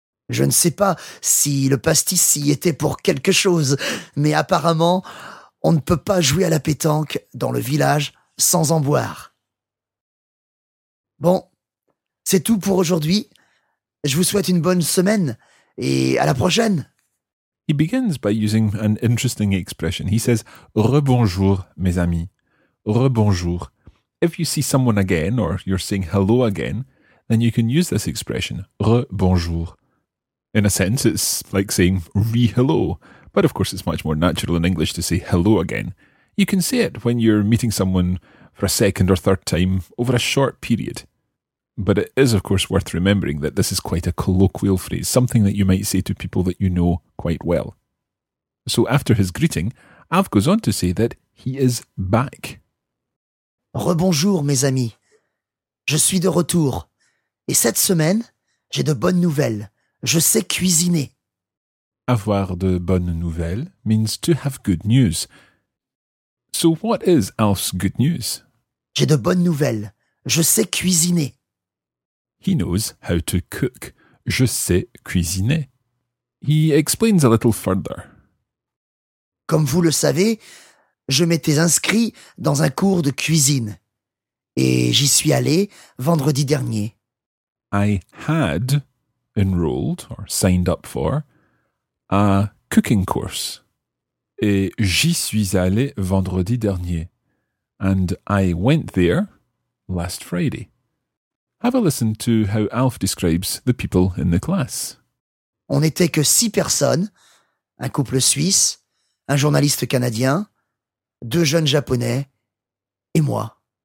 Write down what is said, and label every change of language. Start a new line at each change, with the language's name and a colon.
French: Je ne sais pas si le pastis y était pour quelque chose, mais apparemment, on ne peut pas jouer à la pétanque dans le village sans en boire. Bon, c'est tout pour aujourd'hui. Je vous souhaite une bonne semaine et à la prochaine.
English: He begins by using an interesting expression. He says,
French: rebonjour, mes amis.
English: Rebonjour. If you see someone again or you're saying hello again, then you can use this expression, rebonjour. In a sense, it's like saying re-hello, but of course it's much more natural in English to say hello again. You can say it when you're meeting someone for a second or third time over a short period. But it is, of course, worth remembering that this is quite a colloquial phrase, something that you might say to people that you know quite well. So after his greeting, Alf goes on to say that he is back.
French: Rebonjour, mes amis. Je suis de retour. Et cette semaine, j'ai de bonnes nouvelles. Je sais cuisiner. Avoir de bonnes nouvelles
English: means to have good news. So what is Alf's good news?
French: J'ai de bonnes nouvelles. Je sais cuisiner.
English: He knows how to cook.
French: Je sais cuisiner.
English: He explains a little further.
French: Comme vous le savez, je m'étais inscrit dans un cours de cuisine. Et j'y suis allé vendredi dernier.
English: I had enrolled or signed up for a cooking course.
French: Et j'y suis allé vendredi dernier.
English: And I went there last Friday. Have a listen to how Alf describes the people in the class.
French: On n'était que 6 personnes, un couple suisse, un journaliste canadien, deux jeunes japonais et moi.